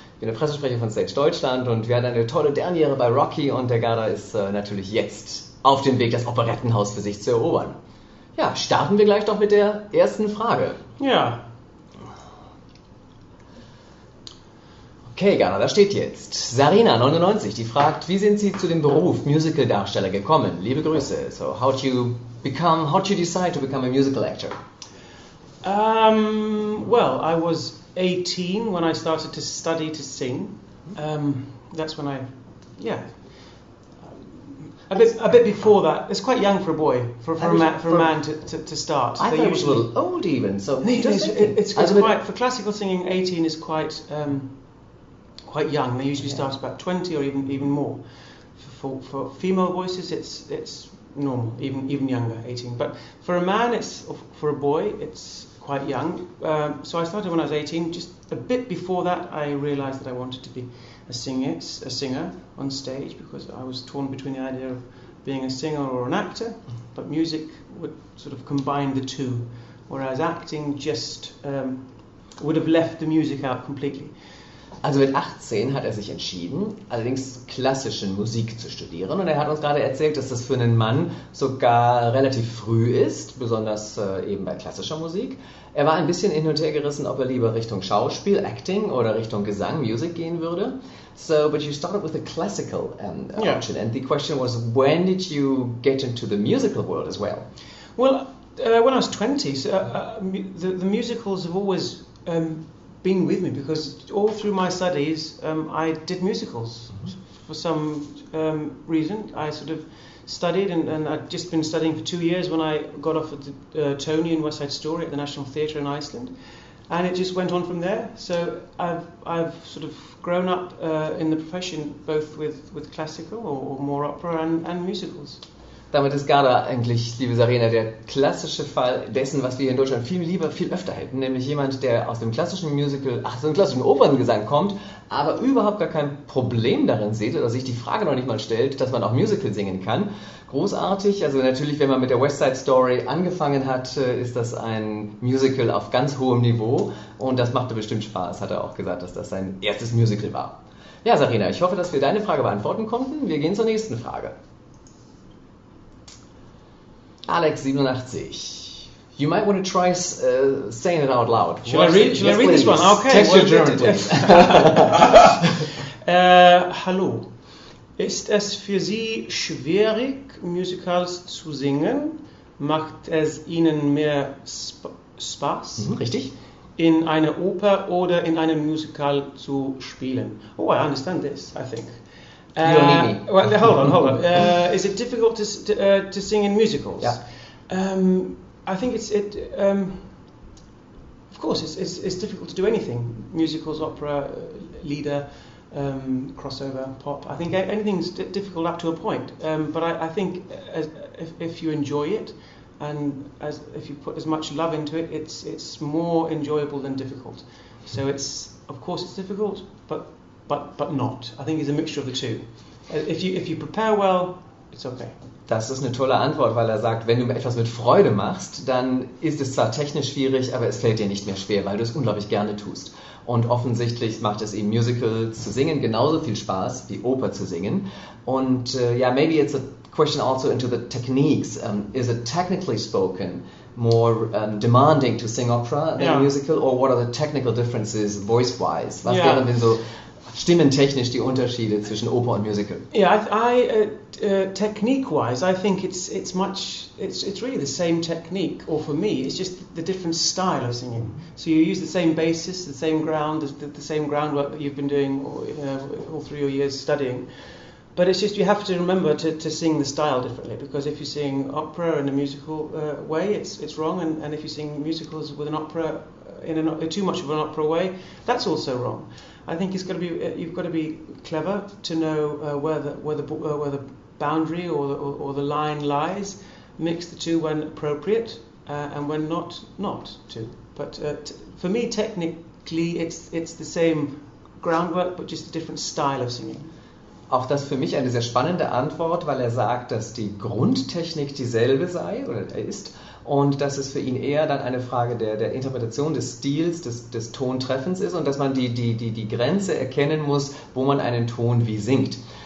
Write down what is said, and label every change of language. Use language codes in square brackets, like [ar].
[de] Ich bin der Pressesprecher von Stage Deutschland und wir hatten eine tolle Derniere bei Rocky und der Garda ist natürlich jetzt auf dem Weg, das Operettenhaus für sich zu erobern. Ja, starten wir gleich doch mit der ersten Frage. Ja. Okay, Garda, da steht jetzt Sarina99, die fragt, wie sind Sie zu dem Beruf Musical-Darsteller gekommen? Liebe Grüße. [en] So, how'd you decide to become a musical actor? Well, I was 18 when I started to study to sing. That's when I, a bit before that. It's quite young for a boy, for a man to start. I thought usually, it was a little old even. So, it's quite for classical singing. 18 is quite quite young. They usually start about 20 or even more. For female voices, it's normal, even younger, 18. But for a man, for a boy, it's quite young. So I started when I was 18. Just a bit before that, I realized that I wanted to be a singer on stage because I was torn between the idea of being a singer or an actor. But music would sort of combine the two, whereas acting just would have left the music out completely. [de] Also mit 18 hat er sich entschieden, allerdings klassische Musik zu studieren. Und er hat uns gerade erzählt, dass das für einen Mann sogar relativ früh ist, besonders eben bei klassischer Musik. Er war ein bisschen hin und her gerissen, ob er lieber Richtung Schauspiel, Acting oder Richtung Gesang, Music gehen würde. [en] So, but you started with a classical option. And the question was, when did you get into the musical world as well? Well, when I was 20, so, the musicals have always been with me because all through my studies I did musicals. For some reason I sort of studied and I'd just been studying for 2 years when I got offered the Tony and West Side Story at the National Theatre in Iceland, and it just went on from there. So I've sort of grown up in the profession both with classical or more opera and musicals. [de] Damit ist Garda eigentlich, liebe Sarina, der klassische Fall dessen, was wir hier in Deutschland viel lieber, viel öfter hätten. Nämlich jemand, der aus dem klassischen Musical, ach, so einem klassischen Operngesang kommt, aber überhaupt gar kein Problem darin sieht oder sich die Frage noch nicht mal stellt, dass man auch Musical singen kann. Großartig, also natürlich, wenn man mit der West Side Story angefangen hat, ist das ein Musical auf ganz hohem Niveau. Und das machte bestimmt Spaß, hat er auch gesagt, dass das sein erstes Musical war. Ja, Sarina, ich hoffe, dass wir deine Frage beantworten konnten. Wir gehen zur nächsten Frage. [en] Alex 87, you might want to try saying it out loud. Shall I read this one? Okay. Text your German, please. [de] Hallo. Ist es für Sie schwierig, Musicals zu singen? Macht es Ihnen mehr Spaß? Richtig. In einer Oper oder in einem Musical zu spielen? [en] Oh, I understand this, I think. You don't need me. Well, hold on. Is it difficult to sing in musicals? Yeah. I think of course, it's difficult to do anything. Musicals, opera, Lieder, crossover, pop. I think anything's difficult up to a point. But I think if you enjoy it, and if you put as much love into it, it's more enjoyable than difficult. So it's, of course, it's difficult, but not. I think it's a mixture of the two. If you prepare well, it's okay. [de] Das ist eine tolle Antwort, weil er sagt, wenn du etwas mit Freude machst, dann ist es zwar technisch schwierig, aber es fällt dir nicht mehr schwer, weil du es unglaublich gerne tust. Und offensichtlich macht es ihm Musical zu singen genauso viel Spaß wie Oper zu singen. Und ja, [en] maybe it's a question also into the techniques. Is it technically spoken more demanding to sing opera than a musical, or what are the technical differences voice-wise? [de] Was wären denn so stimmentechnisch die Unterschiede zwischen Oper und Musical? [en] Yeah, I technique-wise, I think it's really the same technique, or for me, it's just the different style of singing. So you use the same basis, the same ground, the same groundwork that you've been doing all through your years studying. But it's just you have to remember to sing the style differently, because if you sing opera in a musical way, it's wrong, and if you sing musicals with an opera in too much of an opera way, that's also wrong. I think you've got to be clever to know where the boundary or the line lies. Mix the two when appropriate, and when not to. But for me, technically, it's the same groundwork, but just a different style of singing. [de] Auch das für mich eine sehr spannende Antwort, weil er sagt, dass die Grundtechnik dieselbe sei oder ist und dass es für ihn eher dann eine Frage der Interpretation des Stils, des Tontreffens ist und dass man die Grenze erkennen muss, wo man einen Ton wie singt.